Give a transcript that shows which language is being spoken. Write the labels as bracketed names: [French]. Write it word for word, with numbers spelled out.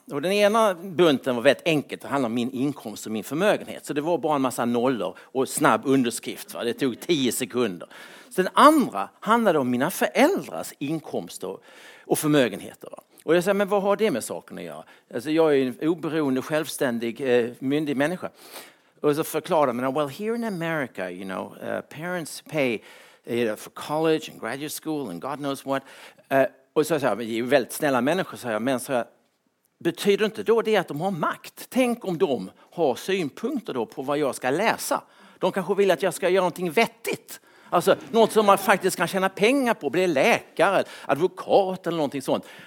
[Swedish] Och den ena bunten var väldigt enkelt. Det handlade om min inkomst och min förmögenhet. Så det var bara en massa nollor och snabb underskrift. Va? Det tog tio sekunder. Så den andra handlade om mina föräldrars inkomst och, och förmögenheter. Va? Och jag säger, men vad har det med saken att göra? Alltså, jag är en oberoende, självständig, eh, myndig människa. Och så förklarade man, [English] well, here in America, you know, uh, parents pay you know, for college and graduate school and God knows what. [Swedish] Uh, Och så säger jag, det är väldigt snälla människor, säger jag, men så jag, betyder inte då det att de har makt? Tänk om de har synpunkter då på vad jag ska läsa. De kanske vill att jag ska göra någonting vettigt. Alltså något som man faktiskt kan tjäna pengar på, bli läkare, advokat eller någonting sånt.